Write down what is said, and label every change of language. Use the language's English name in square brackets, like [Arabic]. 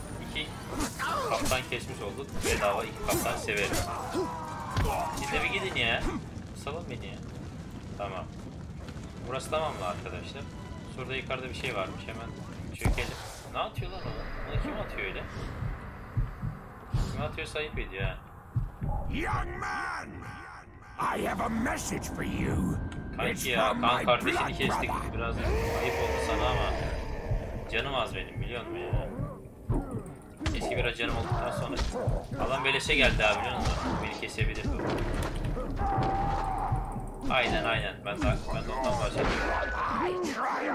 [Turkish] İki kaptan kesmiş olduk. Bedava iki kaptan severim. Siz de bir gidin ya. Salın beni ya. Tamam. Burası tamam mı arkadaşlar? Şurada yukarıda bir şey varmış, hemen çökelim. Ne atıyor lan onu? Onu kim atıyor öyle? Kim atıyor, sahip ediyor ha? [English] Young man, I have a message for you. [Turkish] Kanki ya, kan kardeşini kestik. Biraz ayıp oldu sana ama. Canım az benim, biliyor musun ya? Eski biraz canım olduktan sonra. Adam beleşe geldi abi, biliyor musun? Beni kesebilir bu. Aynen aynen, ben ondan bahsediyorum.